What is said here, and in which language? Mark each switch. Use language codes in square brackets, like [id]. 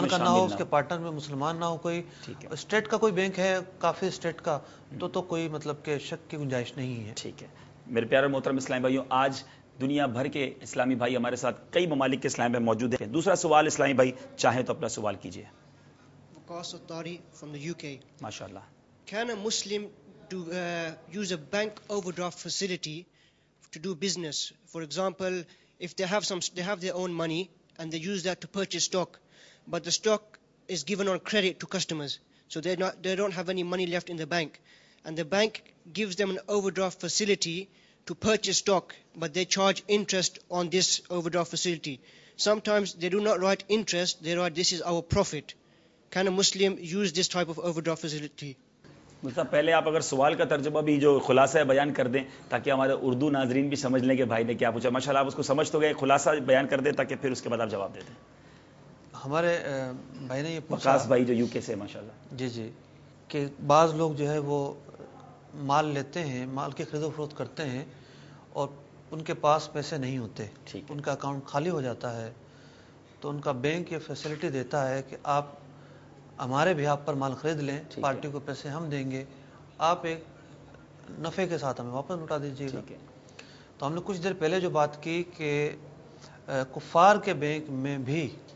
[ur] کا نہ ہو، اس کے پارٹنر میں مسلمان نہ ہو، کوئی اسٹیٹ کا کوئی بینک ہے کافی اسٹیٹ کا، تو کوئی مطلب کہ شک کی گنجائش نہیں ہے۔ ٹھیک ہے میرے پیارے محترم اسلامی بھائیوں، آج دنیا بھر کے اسلامی بھائی ہمارے ساتھ، کئی ممالک کے اسلامی بھائی موجود ہیں۔ دوسرا سوال اسلامی بھائی، چاہیں تو اپنا سوال کیجیے۔ [en] Waqas Attari from the U K, [ur] ماشاءاللہ، [en] Can a Muslim to use a bank overdraft facility to do business, for example if they have some, they have their own money and they use that to purchase stock, but the stock is given on credit to customers, so they not, they don't have any money left in the bank, and the bank gives them an overdraft facility to purchase stock, but they charge interest on this overdraft facility. Sometimes they do not write interest, they write this is our profit. Can a Muslim use this type of overdraft facility? [ur] پہلے آپ اگر سوال کا ترجمہ بھی جو خلاصہ ہے بیان کر دیں، تاکہ ہمارے اردو ناظرین بھی سمجھ لیں کہ بھائی نے کیا پوچھا۔ ماشاء اللہ آپ اس کو سمجھ تو گئے، خلاصہ بیان کر دیں تاکہ پھر اس کے بعد آپ جواب دے دیں۔ ہمارے بھائی نے یہ وقاص بھائی جو یو کے سے، ماشاء اللہ، جی جی، کہ بعض لوگ جو ہے وہ مال لیتے ہیں، مال کی خرید و فروخت کرتے ہیں اور ان کے پاس پیسے نہیں ہوتے، ان کا اکاؤنٹ خالی ہو جاتا ہے، تو ان کا بینک یہ فیسلٹی دیتا ہے کہ آپ ہمارے بہاف پر مال خرید لیں، پارٹی کو پیسے ہم دیں گے، آپ ایک نفع کے ساتھ ہمیں واپس لوٹا دیجیے گا۔ تو ہم نے کچھ دیر پہلے جو بات کی کہ کفار کے بینک میں بھی